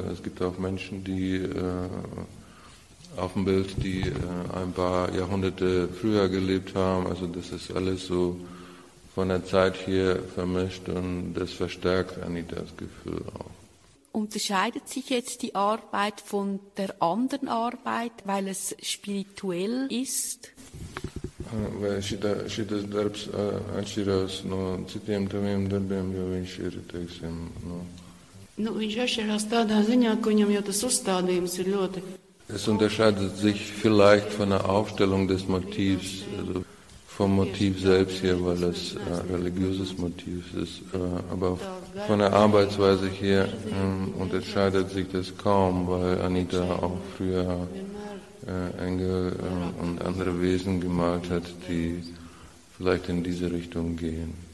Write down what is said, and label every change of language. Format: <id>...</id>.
<de>Es gibt auch Menschen, die auf dem Bild, die ein paar Jahrhunderte früher gelebt haben. Also das ist alles so von der Zeit hier vermischt und das verstärkt Anitas Gefühl auch. Unterscheidet sich jetzt die Arbeit von der anderen Arbeit, weil es spirituell ist?</de> <lv>Weil šitas darbs atšķirās no citiem taviem darbiem, jo viņš ir, teiksim, no... Nu, viņš atšķirās tādā ziņā, ka viņam jau tas uzstādījums ir ļoti...</lv> <de>Es unterscheidet sich vielleicht von der Aufstellung des Motivs, also vom Motiv selbst hier, weil es religiöses Motiv ist, aber von der Arbeitsweise hier unterscheidet sich das kaum, weil Anita auch früher Engel und andere Wesen gemalt hat, die vielleicht in diese Richtung gehen.</de>